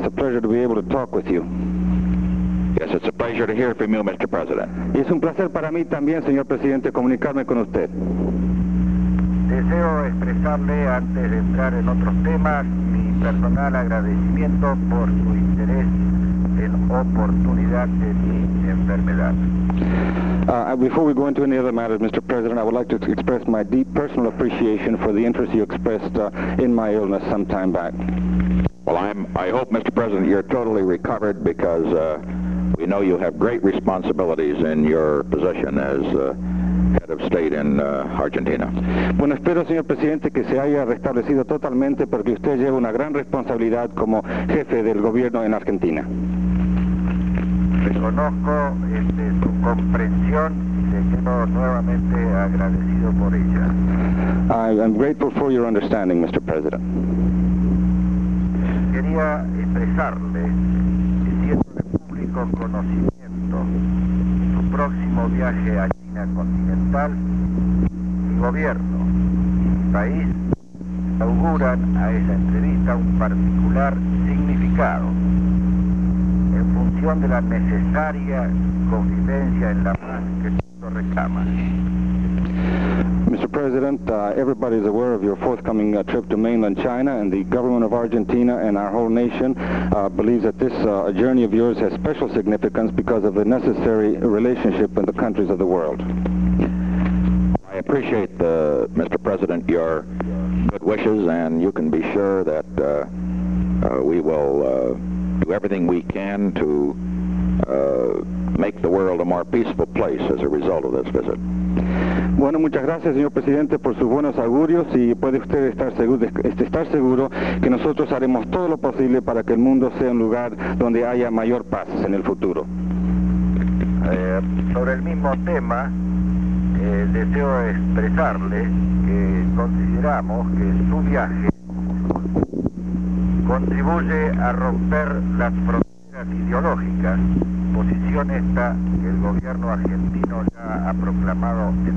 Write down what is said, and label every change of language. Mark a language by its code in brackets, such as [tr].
[en] It's a pleasure to be able to talk with you. Yes, it's a pleasure to hear from you, Mr. President. [es] Y es un placer para mí también, señor presidente, comunicarme con usted. Deseo expresarle, antes de entrar en otros temas, mi personal agradecimiento por su interés en oportunidad de mi enfermedad. [en] Before we go into any other matters, Mr. President, I would like to express my deep personal appreciation for the interest you expressed in my illness some time back. Well, I hope, Mr. President, you're totally recovered because we know you have great responsibilities in your position as head of state in Argentina. [es] Bueno, espero, señor presidente, que se haya restablecido totalmente porque usted lleva una gran responsabilidad como jefe del gobierno en Argentina. Reconozco su comprensión y le quedo nuevamente agradecido por ella. [en] I'm grateful for your understanding, Mr. President. [es] Quería expresarle, diciendo de público conocimiento, su próximo viaje a China continental, mi gobierno y mi país auguran a esa entrevista un particular significado. De la necesaria convivencia en la paz que todo reclama. [en] Mr. President, everybody is aware of your forthcoming trip to mainland China, and the government of Argentina and our whole nation believes that this journey of yours has special significance because of the necessary relationship in the countries of the world. I appreciate, Mr. President, your good wishes, and you can be sure that we will do everything we can to make the world a more peaceful place as a result of this visit. [es] Bueno, muchas gracias, señor presidente, por sus buenos augurios y puede usted estar seguro que nosotros haremos todo lo posible para que el mundo sea un lugar donde haya mayor paz en el futuro. Sobre el mismo tema, deseo expresarle que consideramos que su viaje contribuye a romper las fronteras ideológicas, posición esta que el gobierno argentino ya ha proclamado.